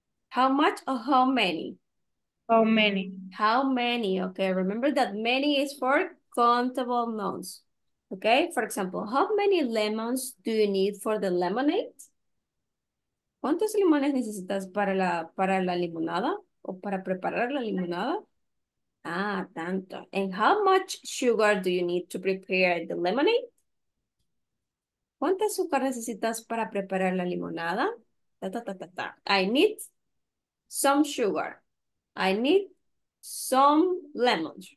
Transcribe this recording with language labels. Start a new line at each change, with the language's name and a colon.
English: How much or how many? How many? How many? Okay, remember that many is for countable nouns. Okay, for example, how many lemons do you need for the lemonade?
Spanish: ¿Cuántos limones necesitas para la limonada o para preparar la limonada? Ah, tanto.
English: And how much sugar do you need to prepare the lemonade?
Spanish: ¿Cuánta azúcar necesitas para preparar la limonada? Ta, ta, ta, ta, ta.
English: I need some sugar. I need some lemons.